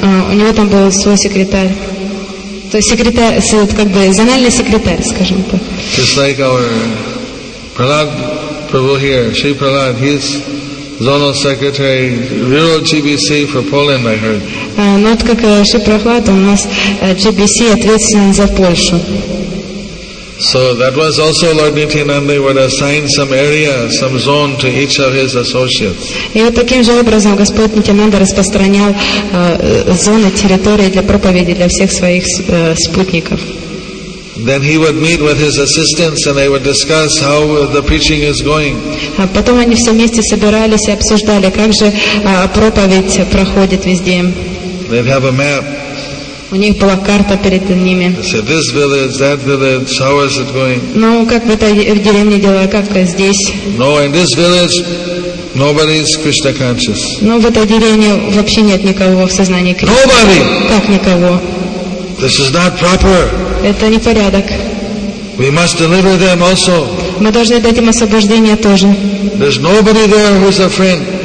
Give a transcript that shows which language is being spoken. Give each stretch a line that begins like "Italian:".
Russian: У него там был свой секретарь. То есть секретарь, как бы зональный секретарь, скажем так.
English: Just like our Prahlad Prabhu here, Shri Prahlad, he's Zonal Secretary Bureau GBC for Poland, I heard.
Russian: Not как Шри Прохлад, у нас GBC ответственен за Польшу.
English: So that was also Lord Nityananda would assign some area, some zone to each of his associates.
Russian: И вот таким же образом Господь Нитянанда распространял зоны, территории для проповеди для всех своих спутников.
English: Then he would meet with his assistants and they would discuss how the preaching is going.
Russian: Потом они все вместе собирались и обсуждали, как же проповедь проходит везде.
English: They'd have a map.
Russian: У них была карта перед ними.
English: Said, this village, that village, how is it going?
Russian: Ну, как в этой деревне дела, как здесь?
English: No, in this village, nobody is Krishna conscious.
Russian: Ну, в этой деревне вообще нет никого в сознании Кришны.
English: Nobody.
Russian: Как никого?
English: This is not proper.
Russian: Это непорядок.
English: We must deliver them also.
Russian: Мы должны дать им освобождение тоже.
English: There's nobody there who's a friend.